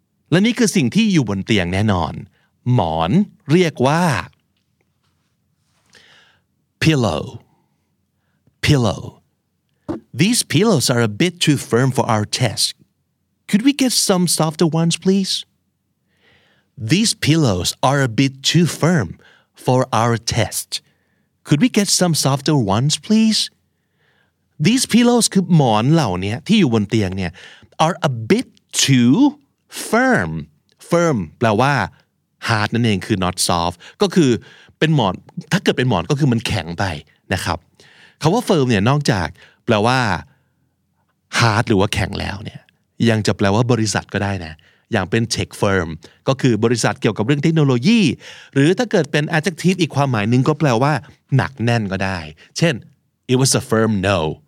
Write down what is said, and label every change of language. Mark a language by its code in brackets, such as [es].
[th] และนี่คือสิ่งที่อยู่บนเตียงแน่นอนหมอนเรียกว่า [en] pillow these pillows are a bit too firm for our chest could we get some softer ones pleaseThese pillows are a bit too firm for our test. Could we get some softer ones, please? These pillows, [th] คือหมอนเหล่านี้ที่อยู่บนเตียงเนี่ย [en] are a bit too firm. [th] Firm แปลว่า hard นั่นเองคือ [en] not soft. [th] ก็คือเป็นหมอนถ้าเกิดเป็นหมอนก็คือมันแข็งไปนะครับคำว่า firm เนี่ยนอกจากแปลว่า hard หรือว่าแข็งแล้วเนี่ยยังจะแปลว่าบริษัทก็ได้นะอย่างเป็น tech firm ก็คือบริษัทเกี่ยวกับเรื่องเทคโนโลยีหรือถ้าเกิดเป็น adjective อีกความหมายหนึ่งก็แปลว่าหนักแน่นก็ได้เช่น [en] it was a firm no